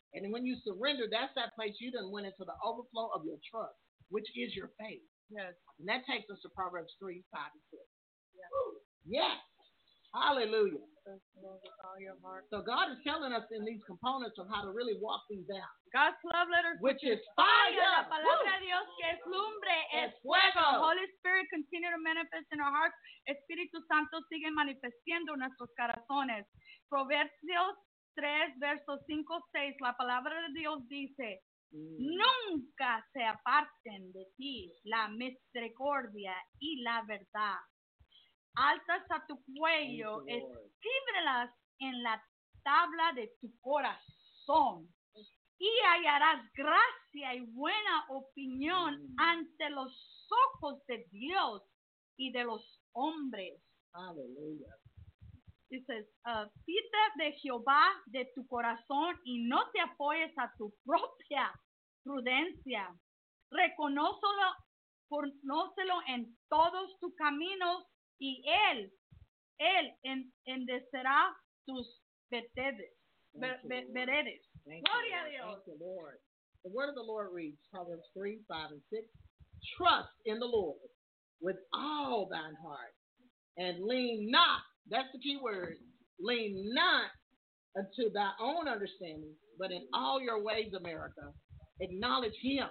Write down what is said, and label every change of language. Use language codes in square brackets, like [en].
[en] And when you surrender, that's that place you done went into the overflow of your trust, which is your faith. Yes. And that takes us to Proverbs 3:5-6. Yes. Yes. Hallelujah. Your heart. So God is telling us in these components of how to really walk these out. God's love letter, which is fire. [es] La palabra de Dios que es lumbre, es fuego. [en] Holy Spirit continue to manifest in our hearts. [es] Espíritu Santo sigue manifestando nuestros corazones. Proverbios 3, versos 5, 6, la palabra de Dios dice, nunca se aparten de ti la misericordia y la verdad. Altas a tu cuello, escríbelas en la tabla de tu corazón, y hallarás gracia y buena opinión ante los ojos de Dios y de los hombres. Aleluya. [en] It says, [es] fíjate de Jehová de tu corazón y no te apoyes a tu propia prudencia. Reconócelo en todos tus caminos y él enderezará tus veredas. Gloria a Dios. [en] Thank you, Lord. The word of the Lord reads, Proverbs 3, 5, and 6, trust in the Lord with all thine heart, and lean not, that's the key word, lean not unto thy own understanding, but in all your ways, America, acknowledge him.